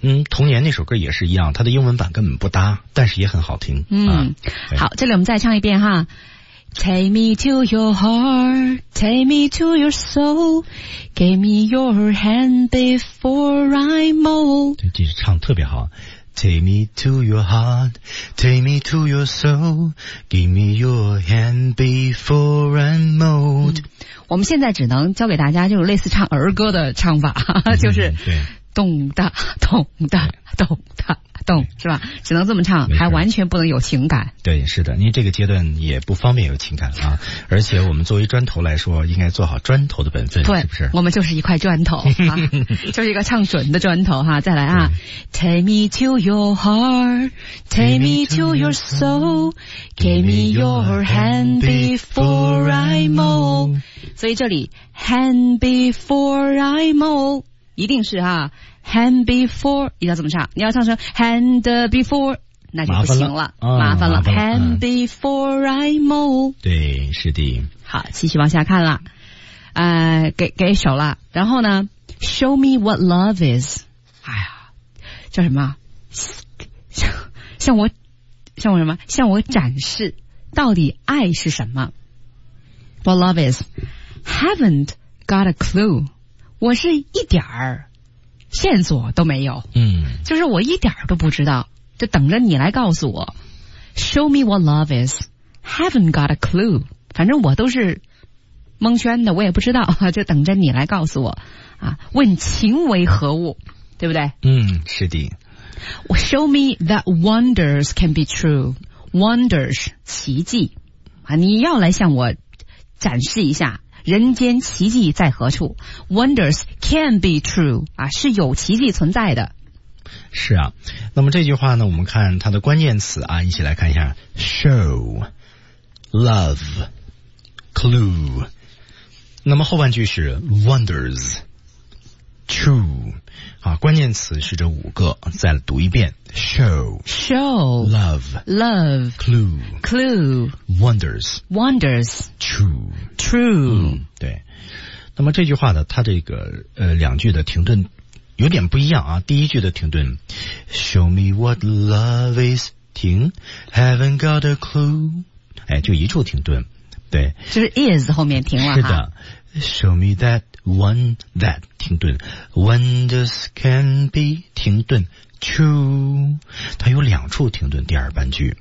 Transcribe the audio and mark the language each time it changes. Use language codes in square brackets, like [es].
[zh] 童年那首歌也是一样，他的英文版根本不搭，但是也很好听。好，这里我们再唱一遍哈。 [en] Take me to your heart, take me to your soul, give me your hand before I'm old. [zh] 对，这是唱特别好。 [en] Take me to your heart, take me to your soul, give me your hand before I'm old.、 [zh] 我们现在只能教给大家就是类似唱儿歌的唱法，就是懂的懂的懂的懂，是吧？只能这么唱，还完全不能有情感。对，是的，因为这个阶段也不方便有情感啊。而且我们作为砖头来说，应该做好砖头的本分，对，是不是？我们就是一块砖头啊，就是一个唱准的砖头哈、啊。再来啊 [en] ，Take me to your heart, take me to your soul, give me your hand before I'm old。 [zh] 所以这里 [en] hand before I'm old。 [zh] 一定是哈 ， [en] hand before [zh] 要怎么唱？你要唱成 hand before， 那就不行了，麻烦了。 [en] hand before I'm old， [zh] 对，是的。好，继续往下看了，给手了。然后呢 ， [en] show me what love is， [zh] 哎呀，叫什么？向我什么？向我展示到底爱是什么 ？ [en] What love is？ Haven't got a clue。 [zh] 我是一点儿线索都没有，就是我一点儿都不知道，就等着你来告诉我。 [en] Show me what love is, haven't got a clue. [zh] 反正我都是蒙圈的，我也不知道，就等着你来告诉我。啊，问情为何物，对不对？是的。 [en] Show me that wonders can be true. [zh] Wonders, 奇迹。啊，你要来向我展示一下。人间奇迹在何处 ？ [en] Wonders can be true [zh] 啊，是有奇迹存在的。是啊，那么这句话呢，我们看它的关键词啊，一起来看一下 ：show、love、clue。那么后半句是 wonders、true 啊，关键词是这五个，再读一遍 ：show、 [en] show、 love、 love、 clue、 clue、 wonders、 wonders、 true。 True， [zh] 对。那么这句话呢，它这个两句的停顿有点不一样啊。第一句的停顿 ， [en] Show me what love is， [zh] 停 ， [en] Haven't got a clue， [zh] 哎，就一处停顿，对，就是 is 后面停了哈。是的 ， [en] show me that one that [zh] 停顿 ， [en] wonders can be [zh] 停顿 ，true， 它有两处停顿，第二半句、